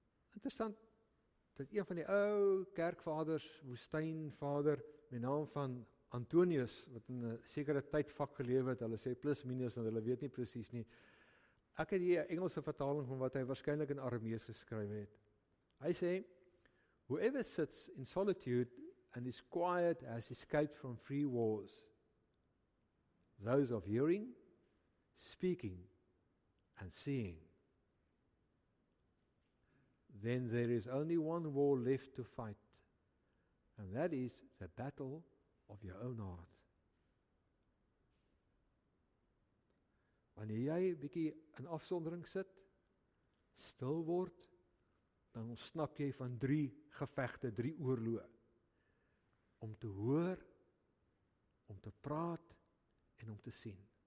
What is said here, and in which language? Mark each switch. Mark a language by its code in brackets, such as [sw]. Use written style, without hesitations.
[af] Interessant, dat een van die ou kerkvaders, woestynvader, met naam van Antonius, wat in 'n sekere tydvak geleef het, hulle sê plus minus, want hulle weet nie precies nie, ek het hier 'n Engelse vertaling van wat hy waarskynlik in Aramees geskryf het. Hy sê, [en] whoever sits in solitude and is quiet has escaped from three wars, those of hearing, speaking, and seeing. Then there is only one war left to fight, and that is the battle of your own heart. [af] Wanneer jy bietjie in afsondering sit, stil word, dan ontsnap jy van drie gevegte, drie oorloë. Om te hoor, om te praat en om te sien.